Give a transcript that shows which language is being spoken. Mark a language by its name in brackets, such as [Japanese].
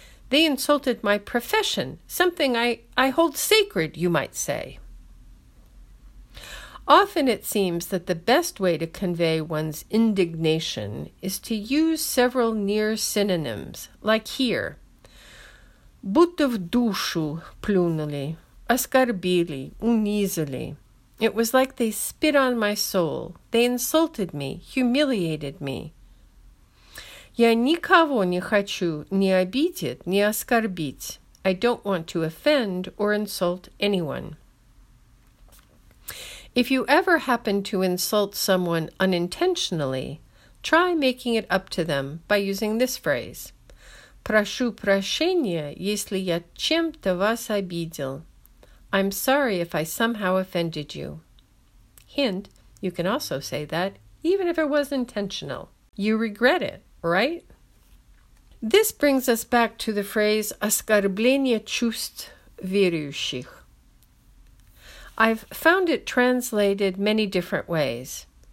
[English] They insulted my profession, something I hold sacred, you might say. Often it seems that the best way to convey one's indignation is to use several near synonyms, like here. [Russian] Будто в душу плюнули, оскорбили, унизили. [English] It was like they spit on my soul. They insulted me, humiliated me. [Russian] Я никого не хочу ни обидеть, ни оскорбить. [English] I don't want to offend or insult anyone. If you ever happen to insult someone unintentionally, try making it up to them by using this phrase. [Russian] Прошу прощения, если я чем-то вас обидел. [English] I'm sorry if I somehow offended you. Hint, you can also say that, even if it was intentional. You regret it, right? This brings us back to the phrase [Russian] оскорбление чувств верующих. [English] I've found it translated many different ways.